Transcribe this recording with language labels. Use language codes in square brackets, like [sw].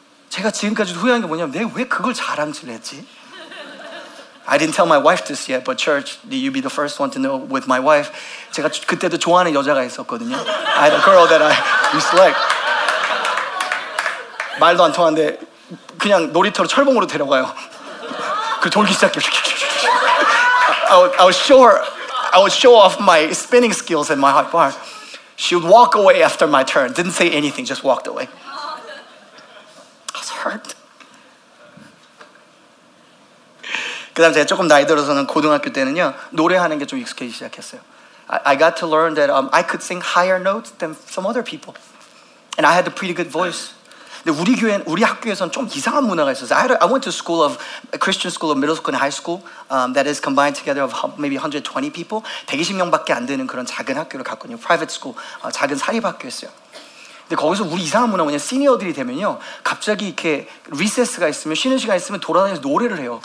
[ko] 제가 지금까지 후회한 게 뭐냐면, 내가 왜 그걸 자랑질 했지? [en] I didn't tell my wife this yet, but church, you be the first one to know with my wife. [ko] 제가 그때도 좋아하는 여자가 있었거든요. [en] I had a girl that I used to like. [ko] 말도 안 통하는데 그냥 놀이터로 철봉으로 데려가요. 그 돌기 시작해요. [en] I would show off my spinning skills and my high bar. She would walk away after my turn. Didn't say anything, just walked away. I was hurt. [ko] 그 다음 제가 조금 나이 들어서는 고등학교 때는요, 노래하는 게 좀 익숙해지기 시작했어요. [en] I got to learn that I could sing higher notes than some other people. And I had a pretty good voice. [ko] 근데 우리 학교에선 좀 이상한 문화가 있었어요. [en] I went to school of, a Christian school of middle school and high school that is combined together of maybe 120 people. [ko] 120명밖에 안 되는 그런 작은 학교를 갔거든요. [en] Private school, [ko] 작은 사립학교였어요. 근데 거기서 우리 이상한 문화 뭐냐, 시니어들이 되면요 갑자기 이렇게 리세스가 있으면 쉬는 시간 있으면 돌아다니면서 노래를 해요.